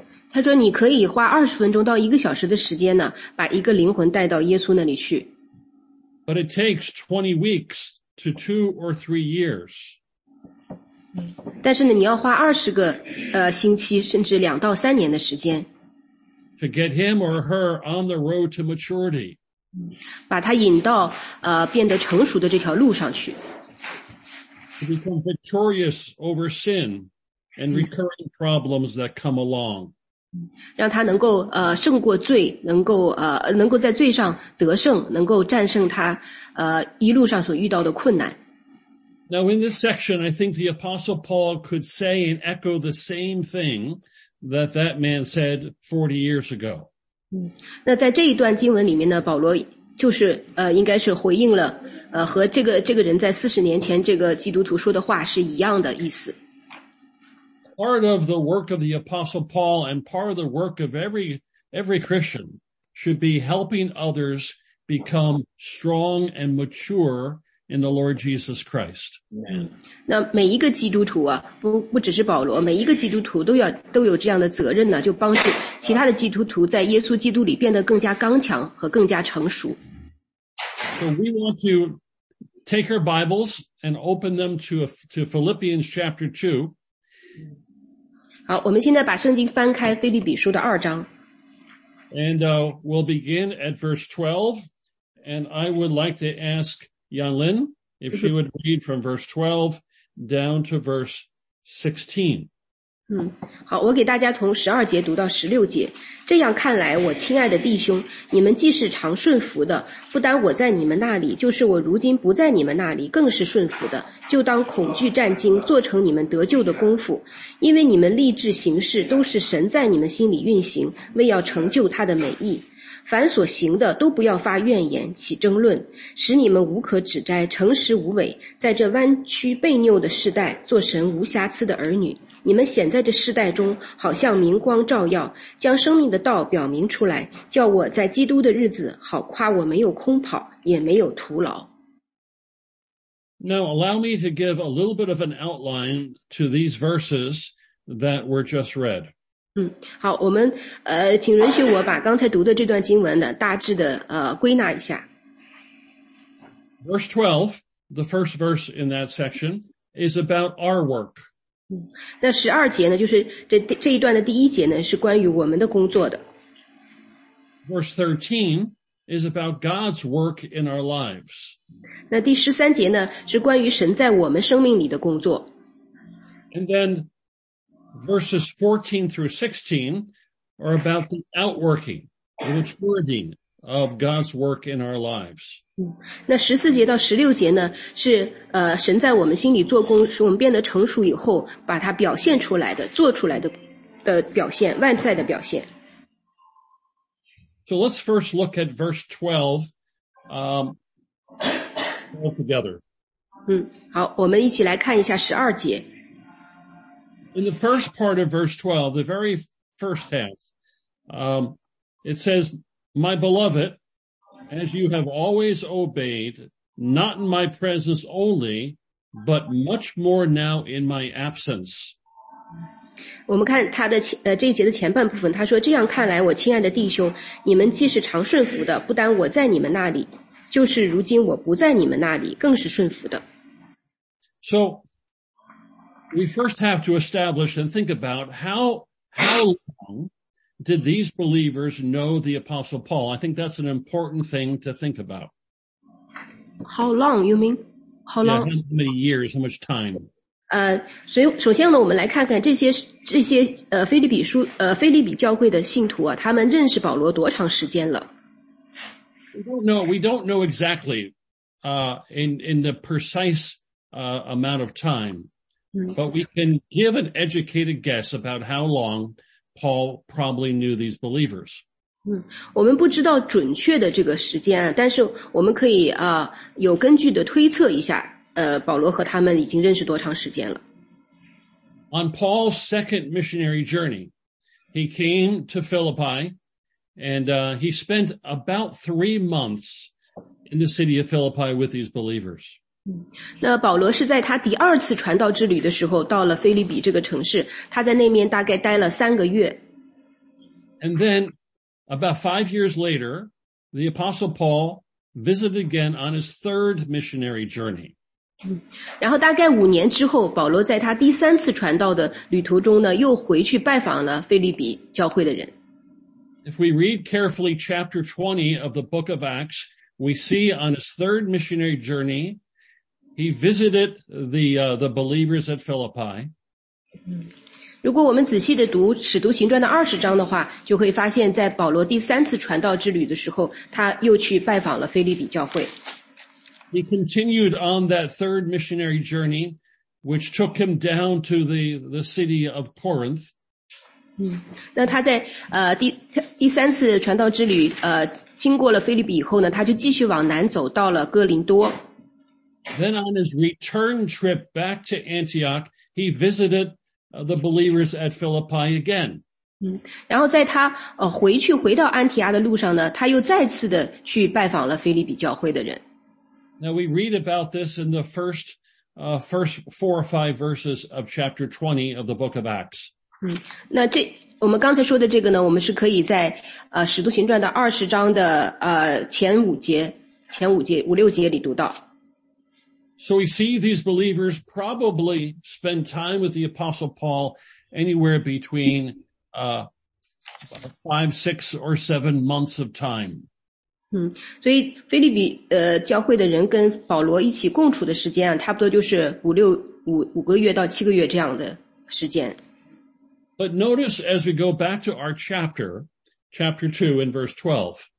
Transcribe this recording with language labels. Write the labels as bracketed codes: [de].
[zh] 他说你可以花20分钟到一个小时的时间呢，把一个灵魂带到耶稣那里去。 [en] But it takes 20 weeks to 2 or 3 years. [zh] 但是呢，你要花20个星期，甚至2到3年的时间。 [en] To get him or her on the road to maturity. [zh] 把他引到变得成熟的这条路上去。 [en] To become victorious over sin and recurring problems that come along. [zh] 让他能够胜过罪，能够在罪上得胜，能够战胜他一路上所遇到的困难。 [en] Now in this section, I think the Apostle Paul could say and echo the same thing that that man said 40 years ago. [zh] 那在这一段经文里面呢，保罗就是应该是回应了和这个人在40年前这个基督徒说的话是一样的意思。 [en] Part of the work of the Apostle Paul and part of the work of every Christian should be helping others become strong and mature in the Lord Jesus Christ. [zh] 那每一个基督徒啊，不只是保罗，每一个基督徒都有这样的责任呢，就帮助其他的基督徒在耶稣基督里变得更加刚强和更加成熟。 [en] So we want to take our Bibles and open them to Philippians chapter 2. [zh] 好，我们现在把圣经翻开腓立比书的二章。 [en] And we'll begin at verse 12. And I would like to ask Yanlin if she would read from verse 12 down to verse 16. [zh] 好，我给大家从12节读到16节。这样看来，我亲爱的弟兄，你们既是常顺服的，不单我在你们那里，就是我如今不在你们那里，更是顺服的，就当恐惧战惊，做成你们得救的功夫。因为你们立志行事，都是神在你们心里运行，为要成就他的美意。凡所行的，都不要发怨言，起争论，使你们无可指摘，诚实无伪，在这弯曲悖谬的世代，做神无瑕疵的儿女。你们显在这世代中，好像明光照耀，将生命的道表明出来，叫我在基督的日子好夸我没有空跑，也没有徒劳。 [en] Now allow me to give a little bit of an outline to these verses that were just read. [zh] 好，我们请允许我把刚才读的这段经文呢，大致的归纳一下。 [en] Verse 12, the first verse in that section, is about our work. [zh] 那十二节呢，就是这一段的第一节呢，是关于我们的工作的。 [en] Verse 13 is about God's work in our lives. [zh] 那第十三节呢，是关于神在我们生命里的工作。 [en] And then verses 14 through 16 are about the outworking, the maturing of God's work in our lives. [zh] 那14节到16节呢，是神在我们心里做工，使我们变得成熟以后，把它表现出来的，做出来的表现，外在的表现。 [en] So let's first look at verse 12, all together. [zh] 好，我们一起来看一下12节。 [en] In the first part of verse 12, the very first half, it says, My beloved,As you have always obeyed, not in my presence only, but much more now in my absence. [zh] 我们看他的这一节的前半部分，他说：“这样看来，我亲爱的弟兄，你们既是常顺服的，不单我在你们那里，就是如今我不在你们那里，更是顺服的。” [en] So, we first have to establish and think about how long. Did these believers know the Apostle Paul? I think that's an important thing to think about. How long, you mean? How long? Yeah, how many years, how much time? [zh] 首先呢，我们来看看这些腓立比教会的信徒啊，他们认识保罗多长时间了？ [en] We don't know exactly, in the precise, amount of time, but we can give an educated guess about how long Paul probably knew these believers. [zh] 我们不知道准确的这个时间，但是我们可以有根据的推测一下，保罗和他们已经认识多长时间了。 [en] On Paul's second missionary journey, he came to Philippi, and he spent about 3 months in the city of Philippi with these believers. [zh] 那保罗是在他第二次传道之旅的时候到了腓立比这个城市，他在那边大概待了三个月。 [en] And then, about 5 years later, the Apostle Paul visited again on his third missionary journey. [zh] 然后大概五年之后，保罗在他第三次传道的旅途中呢，又回去拜访了腓立比教会的人。 [en] If we read carefully chapter 20 of the book of Acts, we see on his third missionary journey, he visited the believers at Philippi. [zh] 如果我们仔细地读《使徒行传》的二十章的话，就会发现在保罗第三次传道之旅的时候，他又去拜访了腓立比教会。 [en] He continued on that third missionary journey, which took him down to the city of Corinth. [zh] 那他在第三次传道之旅经过了腓立比以后呢，他就继续往南走到了哥林多。 [en] Then on his return trip back to Antioch, he visited the believers at Philippi again. [zh] 然后在他回到安提阿的路上呢，他又再次的去拜访了腓立比教会的人。 [en] Now we read about this in the first 4 or 5 verses of chapter 20 of the book of Acts. [zh] 那这我们刚才说的这个呢，我们是可以在使徒行传的二十章的前五节里读到。 [en] So we see these believers probably spend time with the Apostle Paul anywhere between 5, 6, or 7 months of time. [zh] 所以腓立比教会的人跟保罗一起共处的时间啊，差不多就是五个月到七个月这样的时间。 [en] But notice as we go back to our chapter 2 in verse 12.